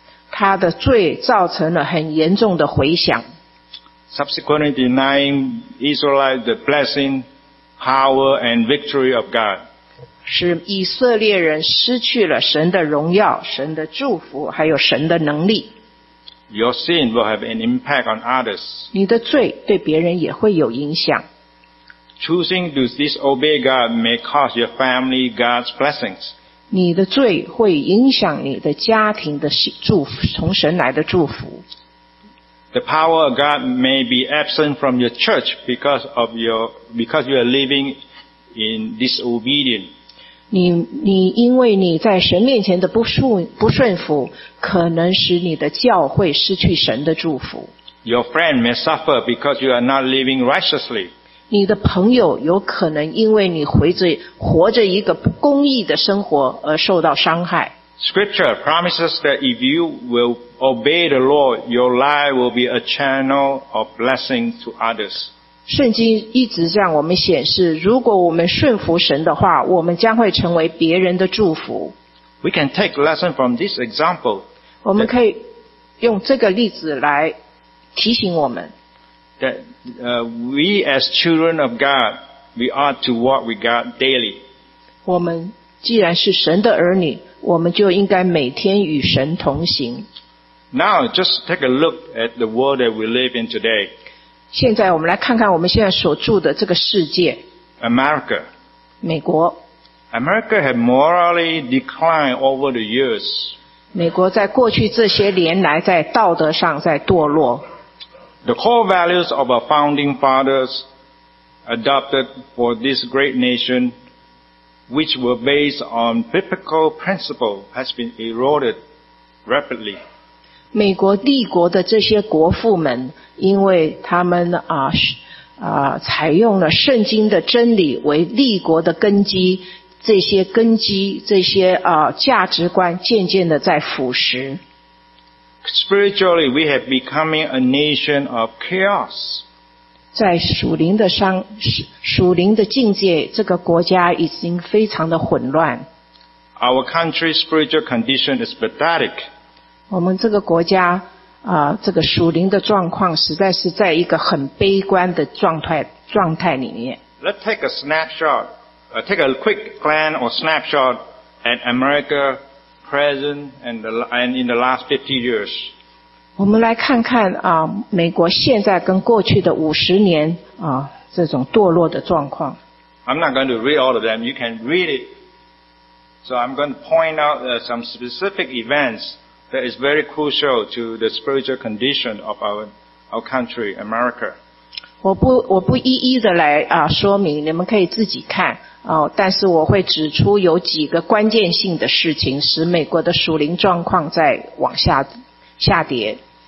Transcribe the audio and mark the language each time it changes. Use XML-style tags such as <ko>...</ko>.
<zh>他的罪造成了很严重的回响。</zh> <en>Subsequently denying Israelites the blessing, power, and victory of God.</en> <zh>使以色列人失去了神的荣耀、神的祝福，还有神的能力。</zh> <en>Your sin will have an impact on others.</en> <zh>你的罪对别人也会有影响。</zh> <en>Choosing to disobey God may cost your family God's blessings.</en> <zh>你的罪会影响你的家庭的祝福，从神来的祝福。</zh> <en>The power of God may be absent from your church because you are living in disobedience.</en> <zh>你因为你在神面前的不顺服，可能使你的教会失去神的祝福。</zh> <en>Your friend may suffer because you are not living righteously.</en> <zh>你的朋友有可能因为你活着一个不公义的生活而受到伤害。</zh> <en>Scripture promises that if you will obey the Lord, your life will be a channel of blessing to others.</en> <zh>圣经一直向我们显示，如果我们顺服神的话，我们将会成为别人的祝福。</zh> <en>We can take lesson from this example.</en> <zh>我们可以用这个例子来提醒我们。</zh> <en>That we as children of God, we ought to walk with God daily.</en> <zh>我们既然是神的儿女，我们就应该每天与神同行。</zh> <en>Now, just take a look at the world that we live in today.</en> <zh>现在我们来看看我们现在所住的这个世界。</zh> <en>America.</en> <zh>美国。</zh> <en>America has morally declined over the years.</en> <zh>美国在过去这些年来在道德上在堕落。</zh> <en>The core values of our founding fathers adopted for this great nation, which were based on biblical principle, has been eroded rapidly.</en> <zh>美国帝国的这些国父们，因为他们采用了圣经的真理为帝国的根基，这些根基，这些价值观渐渐的在腐蚀。</zh> <en>Spiritually, we have becoming a nation of chaos.</en> <zh>在属灵的境界，这个国家已经非常的混乱。</zh> <en>Our country's spiritual condition is pathetic.</en> <zh>我们这个国家这个属灵的状况实在是在一个很悲观的状态里面。</zh> <en>Let's take a snapshot, take a quick glance or snapshot at America present and in the last 50 years.</en> <zh>我们来看看啊，美国现在跟过去的50年啊这种堕落的状况。</zh> <en>I'm not going to read all of them. You can read it. So I'm going to point out some specific events that is very crucial to the spiritual condition of our country, America.</en> <zh>我不一一的来啊说明，你们可以自己看哦。但是我会指出有几个关键性的事情，使美国的属灵状况在往下跌。</zh>